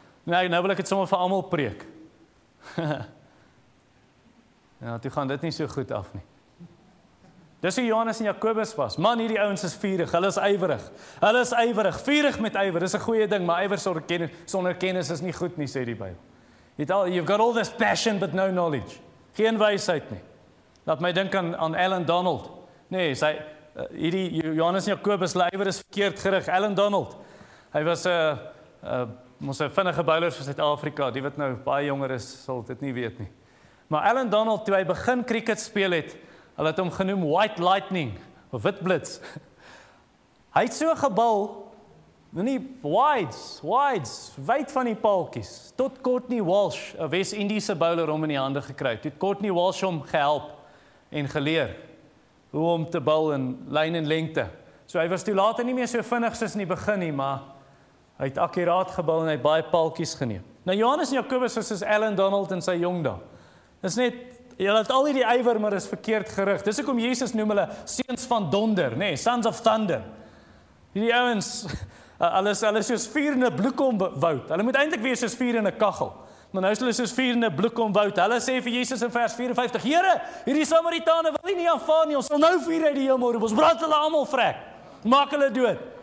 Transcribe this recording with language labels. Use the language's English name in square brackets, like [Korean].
[Afrikaans] Nou wil ek het sommer vir almal preek. Ja, toe gaan dit nie so goed af nie. Dis hoe Johannes en Jakobus was. Man, hierdie ouens is vurig, hulle is ywerig. Hulle is ywerig, vurig met ywer. Dis 'n goeie ding, maar ywer sonder kennis is nie goed nie, sê die Bybel. [English] You've got all this passion, but no knowledge. [Afrikaans] Geen wysheid nie. Laat my dink aan Alan Donald. Nee, hierdie Johannes en Jakobus, hulle ywer is verkeerd gerig. Alan Donald, hy was 'n vinnige bowler vir Suid-Afrika. Die wat nou baie jonger is, sal dit nie weet nie. Maar Alan Donald, toe hy begin cricket speel het, hulle het hom genoem White Lightning, of Wit Blitz. Hy het so gebal, nie wides, wyd van die paaltjies, tot Courtney Walsh, 'n West-Indiese bowler, hom in die hande gekry. Toe het Courtney Walsh hom gehelp en geleer hoe om te bal in lyn en lengte. So hy was toe later nie meer so vinnig soos in die begin nie, maar hy het akkuraat gebal en hy baie paaltjies geneem. Nou Johannes en Jakobus was soos Alan Donald in sy jong dae. Is net, julle het al hierdie ywer, maar is verkeerd gerig. Dis ook om Jesus noem hulle seuns van donder, nee, [English] sons of thunder. [Afrikaans] Hierdie ouens, hulle is soos vuur in 'n bloekomwoud. Hulle moet eintlik wees soos vuur in 'n kaggel. Maar nou is hulle soos vuur in 'n bloekomwoud. Hulle sê vir Jesus in vers 54, Here, hierdie Samaritane wil nie aanvaar nie, ons sal nou vuur uit die hemel roep. Ons brand hulle almal vrek. Maak hulle dood.